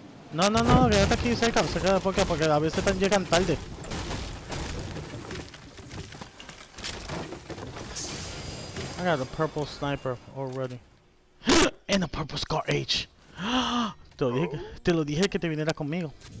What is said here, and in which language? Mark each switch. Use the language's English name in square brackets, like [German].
[Spanish] No, no, no, quédate aquí cerca, cerca de poca, porque a veces están llegan tarde. [English] I got a purple sniper already. And a purple scar H. [Spanish] Te lo dije que te viniera conmigo.